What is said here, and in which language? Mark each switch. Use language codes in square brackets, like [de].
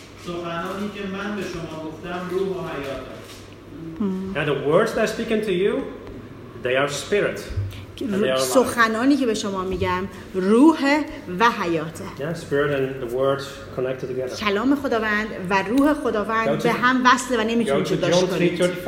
[fa] سخنانی که من به شما گفتم روح و حیات است. [en] And the words that I speak to you, they are spirit. [fa] سخنانی که به شما میگم روح و حیاته. [en] Yeah, spirit and the words connected together. [fa] کلام خداوند و روح خداوند به هم وصله و نمیتونید جدا کنید.